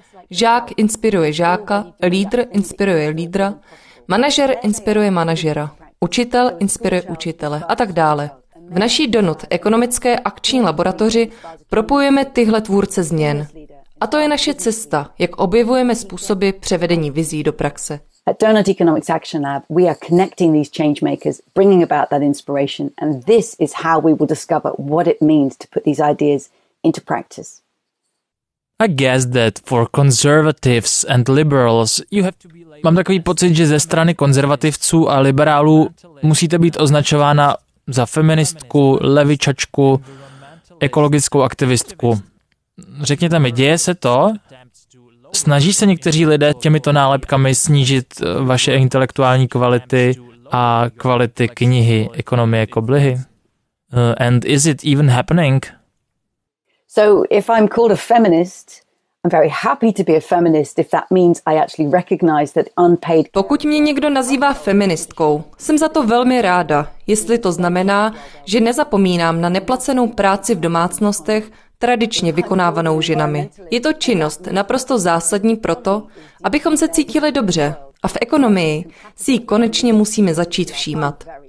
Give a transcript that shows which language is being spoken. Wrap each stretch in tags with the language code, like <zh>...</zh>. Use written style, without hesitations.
<cs>Žák inspiruje žáka, lídr inspiruje lídra, manažer inspiruje manažera, učitel inspiruje učitele a tak dále. V naší Donut ekonomické akční laboratoři propojujeme tyhle tvůrce změn. A to je naše cesta, jak objevujeme způsoby převedení vizí do praxe.</cs> <en>At Donut Economics Action Lab, we are connecting these change makers, bringing about that inspiration, and this is how we will discover what it means to put these ideas into practice. I guess that for conservatives and liberals, you have to be.</en> <cs>Mám takový pocit, že ze strany konzervativců a liberálů musíte být označována za feministku, levičačku, ekologickou aktivistku. Řekněte mi, děje se to? Snaží se někteří lidé těmito nálepkami snížit vaše intelektuální kvality a kvality knihy Ekonomie koblihy?</cs> <en>And is it even happening? So if I'm called a feminist, I'm very happy to be a feminist if that means I actually recognize that unpaid.</en> <cs>Pokud mě někdo nazývá feministkou, jsem za to velmi ráda, jestli to znamená, že nezapomínám na neplacenou práci v domácnostech tradičně vykonávanou ženami. Je to činnost naprosto zásadní proto, abychom se cítili dobře a v ekonomii si ji konečně musíme začít všímat.</cs>